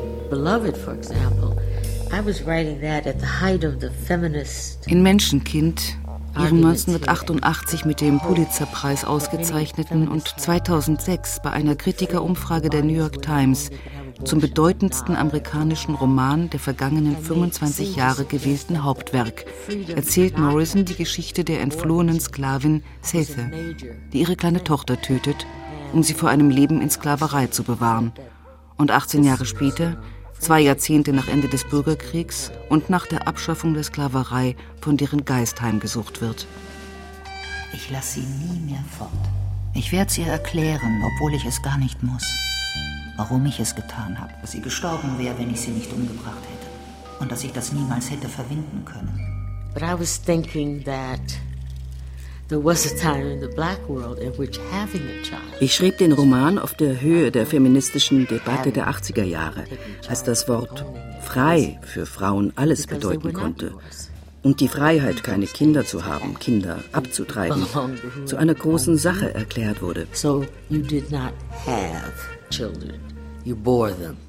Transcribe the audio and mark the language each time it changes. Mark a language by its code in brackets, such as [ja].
[en] Beloved, for example, I was writing that at the height of the feminist. [de] In Menschenkind. Ihrem 1988 mit dem Pulitzer-Preis ausgezeichneten und 2006 bei einer Kritikerumfrage der New York Times zum bedeutendsten amerikanischen Roman der vergangenen 25 Jahre gewählten Hauptwerk, erzählt Morrison die Geschichte der entflohenen Sklavin Sethe, die ihre kleine Tochter tötet, um sie vor einem Leben in Sklaverei zu bewahren. Und 18 Jahre später, zwei Jahrzehnte nach Ende des Bürgerkriegs und nach der Abschaffung der Sklaverei, von deren Geist heimgesucht wird. Ich lasse sie nie mehr fort. Ich werde sie erklären, obwohl ich es gar nicht muss, warum ich es getan habe, dass sie gestorben wäre, wenn ich sie nicht umgebracht hätte und dass ich das niemals hätte verwinden können. [en] But I was thinking that there was a time in the black world in which having a child. [de] Ich schrieb den Roman auf der Höhe der feministischen Debatte der 80er Jahre, als das Wort frei für Frauen alles bedeuten konnte. Und die Freiheit, keine Kinder zu haben, Kinder abzutreiben, zu einer großen Sache erklärt wurde. [en] So you did not have children. You bore them.